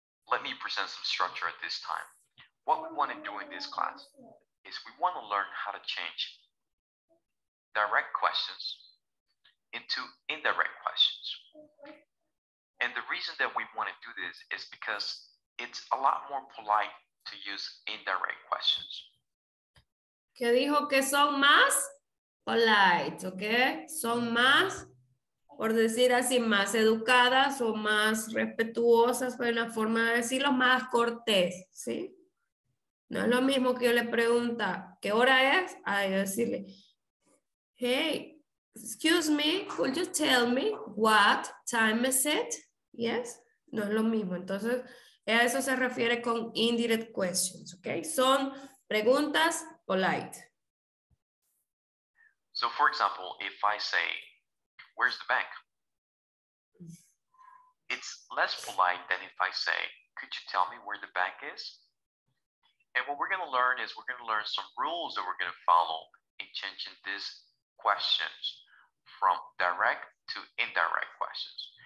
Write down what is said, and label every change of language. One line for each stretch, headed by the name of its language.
English: Let me present some structure at this time. What we want to do in this class is we want to learn how to change direct questions into indirect questions. And the reason that we want to do this is because it's a lot more polite to use indirect questions.
Spanish: ¿Qué dijo? Que son más polite, okay? Son más, por decir así, más educadas o más respetuosas, fue una forma de decirlo, más cortés, ¿sí? No es lo mismo que yo le pregunta, ¿qué hora es? A decirle,
English: hey, excuse me, could you tell me what time is it?
Spanish: Yes, no es lo mismo. Entonces, a eso se refiere con indirect questions, ¿ok? Son preguntas polite.
English: So, for example, if I say, where's the bank? It's less polite than if I say, could you tell me where the bank is? And what we're going to learn is we're going to learn some rules that we're going to follow in changing these questions from direct to indirect questions.